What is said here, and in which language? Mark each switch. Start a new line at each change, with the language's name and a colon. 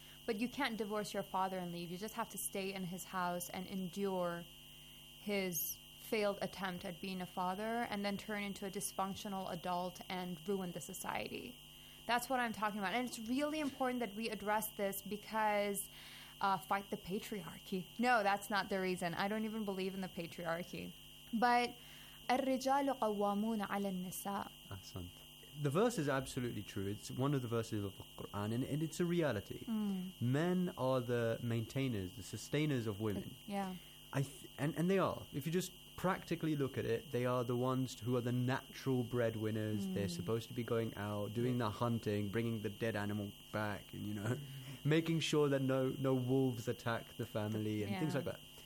English: But you can't divorce your father and leave. You just have to stay in his house and endure his failed attempt at being a father and then turn into a dysfunctional adult and ruin the society. That's what I'm talking about. And it's really important that we address this because fight the patriarchy. No, that's not the reason. I don't even believe in the patriarchy. But
Arabic: الرجال قوامون على النساء.
English: Excellent. The verse is absolutely true. It's one of the verses of the Quran, and it's a reality. Mm. Men are the maintainers, the sustainers of women. Yeah. And they are. If you just practically look at it, they are the ones who are the natural breadwinners. Mm. They're supposed to be going out, doing the hunting, bringing the dead animal back, and, you know, making sure that no wolves attack the family and things like that.